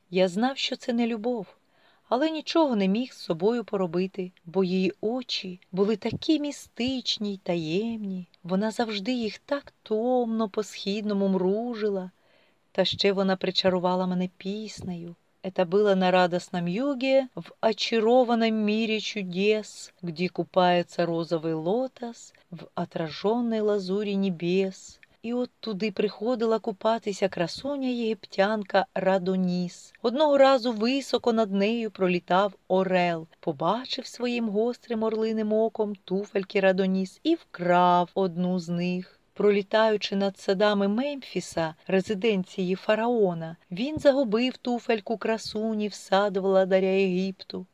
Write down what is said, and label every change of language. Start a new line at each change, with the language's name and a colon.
Ukrainian: Я знав, що це не любов, але нічого не міг з собою поробити, бо її очі були такі містичні й таємні. Вона завжди їх так томно по-східному мружила. Та ще вона причарувала мене піснею.
Russian: Это было на радостном юге, в очарованном мире чудес, где купается розовий лотос в отраженной лазурі небес.
Ukrainian: І от туди приходила купатися красоня-єгиптянка Радоніс. Одного разу високо над нею пролітав орел, побачив своїм гострим орлиним оком туфельки Радоніс і вкрав одну з них. Пролітаючи над садами Мемфіса, резиденції фараона, він загубив туфельку красуні в сад владаря Єгипту.